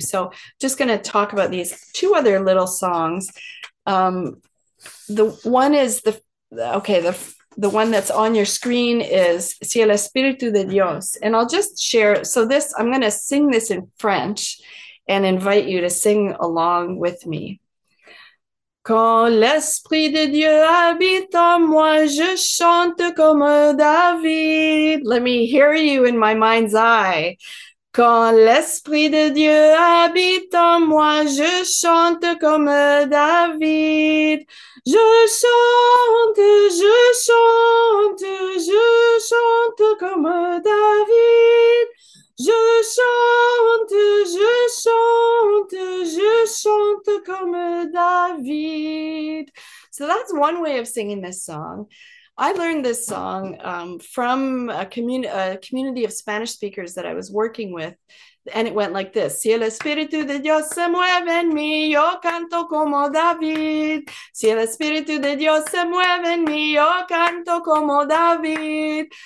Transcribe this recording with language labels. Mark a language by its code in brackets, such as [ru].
[en] So just going to talk about these two other little songs. The one is the one that's on your screen is Si el Espíritu de Dios. And I'll just share. So this, I'm going to sing this in French and invite you to sing along with me. [fr] Quand l'Esprit de Dieu habite en moi, je chante comme David. [en] Let me hear you in my mind's eye. [fr] Quand l'Esprit de Dieu habite en moi, je chante comme David. Je chante, je chante, je chante comme David. Je chante, je chante, je chante comme David. [en] So that's one way of singing this song. I learned this song from a community of Spanish speakers that I was working with, and it went like this. [es] Si el Espíritu de Dios se mueve en mí, yo canto como David. Si el Espíritu de Dios se mueve en mí, yo canto como David.